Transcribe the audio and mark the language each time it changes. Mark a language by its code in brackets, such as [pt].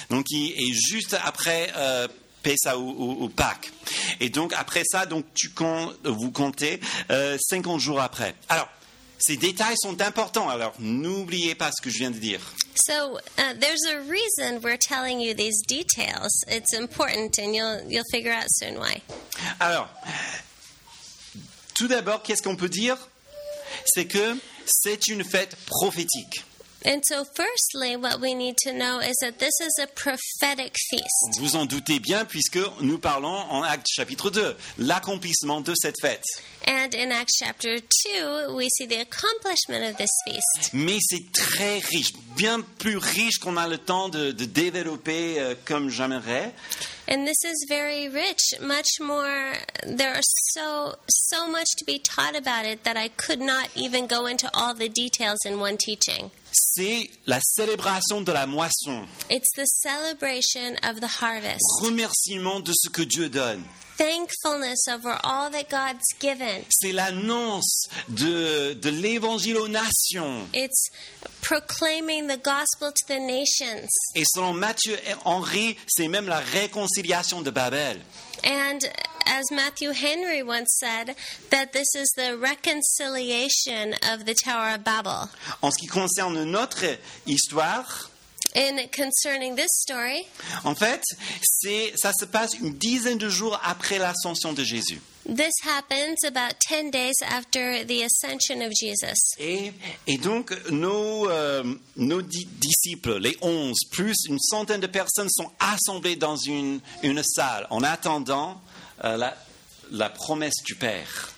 [fr] Donc qui est juste après Pessah ou Pâques. Et donc après ça, donc vous comptez 50 jours après. Alors. Ces détails sont importants, alors n'oubliez pas ce que je viens de dire. [en] So, there's a reason we're telling you these details. It's important and you'll figure out soon why. [fr] Alors, tout d'abord, qu'est-ce qu'on peut dire? C'est que c'est une fête prophétique. [en] And so, firstly, what we need to know is that this is a prophetic feast. [fr] Vous en doutez bien, puisque nous parlons en Actes chapitre 2, l'accomplissement de cette fête. [en] And in Acts chapter 2, we see the accomplishment of this feast. [fr] Mais c'est très riche, bien plus riche qu'on a le temps de développer comme j'aimerais. [en] And this is very rich, much more. There are so much to be taught about it that I could not even go into all the details in one teaching. [fr] C'est la célébration de la moisson. [en] It's the celebration of the harvest. [fr] Remerciement de ce que Dieu donne. [en] Thankfulness over all that God's given. [fr] C'est l'annonce de l'évangile aux nations. [en] It's proclaiming the gospel to the nations. [fr] Et selon Matthieu et Henri, c'est même la réconciliation de Babel. [en] And as Matthew Henry once said, that this is the reconciliation of the Tower of Babel. [fr] En ce qui concerne notre histoire, [en] in concerning this story, [fr] en fait, ça se passe une dizaine de jours après l'ascension de Jésus. [en] This happens about 10 days after the ascension of Jesus. [fr] Et donc nos disciples, les 11, plus une centaine de personnes sont assemblées dans une salle en attendant la promesse du Père.